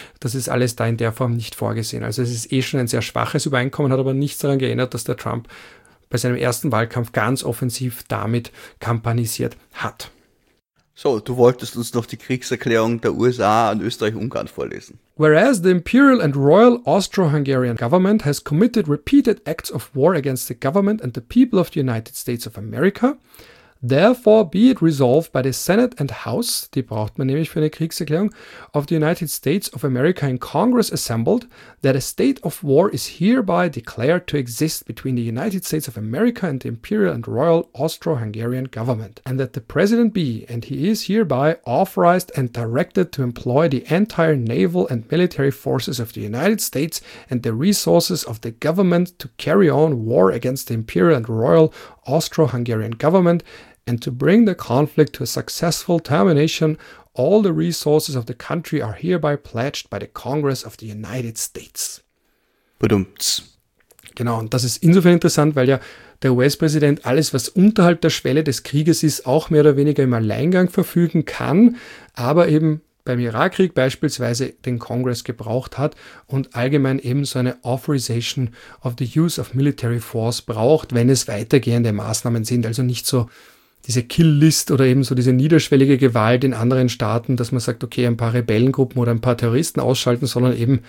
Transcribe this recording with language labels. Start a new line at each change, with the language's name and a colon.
German: Das ist alles da in der Form nicht vorgesehen. Also es ist eh schon ein sehr schwaches Übereinkommen, hat aber nichts daran geändert, dass der Trump bei seinem ersten Wahlkampf ganz offensiv damit kampanisiert hat. So, du wolltest uns noch die Kriegserklärung der USA an Österreich-Ungarn vorlesen.
English: Whereas the Imperial and Royal Austro-Hungarian Government has committed repeated acts of war against the government and the people of the United States of America, therefore be it resolved by the Senate and House,
German: die braucht man nämlich für eine Kriegserklärung,
English: of the United States of America in Congress assembled, that a state of war is hereby declared to exist between the United States of America and the Imperial and Royal Austro-Hungarian Government, and that the President be, and he is hereby authorized and directed to employ the entire naval and military forces of the United States and the resources of the government to carry on war against the Imperial and Royal Austro-Hungarian Government and to bring the conflict to a successful termination, all the resources of the country are hereby pledged by the Congress of the United States. Badumts.
German: Genau, und das ist insofern interessant, weil ja der US-Präsident alles, was unterhalb der Schwelle des Krieges ist, auch mehr oder weniger im Alleingang verfügen kann, aber eben beim Irakkrieg beispielsweise den Congress gebraucht hat und allgemein eben so eine Authorization of the Use of Military Force braucht, wenn es weitergehende Maßnahmen sind, also nicht so diese Kill-List oder eben so diese niederschwellige Gewalt in anderen Staaten, dass man sagt, okay, ein paar Rebellengruppen oder ein paar Terroristen ausschalten, sondern eben